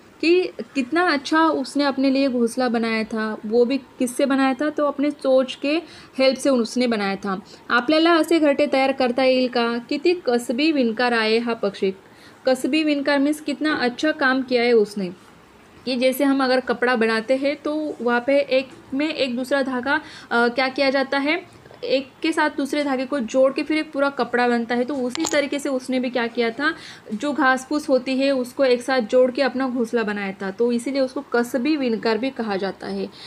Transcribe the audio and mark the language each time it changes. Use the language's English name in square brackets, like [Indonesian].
[Hindi] कि कितना अच्छा उसने अपने लिए घोंसला बनाया था, वो भी किससे बनाया था, तो अपने चोच के हेल्प से उसने बनाया था। [Marathi] आपल्याला असे घरटे तयार करता येईल का, किती कसबी विणकर आहे हा पक्षी। [Hindi] कसबी विणकर मीन्स कितना अच्छा काम किया है उसने। ये जैसे हम अगर कपड़ा बनाते हैं तो वहाँ पे एक में एक दूसरा धागा क्या किया जाता है, एक के साथ दूसरे धागे को जोड़ के फिर एक पूरा कपड़ा बनता है। तो उसी तरीके से उसने भी क्या किया था, जो घास फूस होती है उसको एक साथ जोड़ के अपना घोंसला बनाया था, तो इसीलिए उसको कसबी विणकर भी कहा जाता है।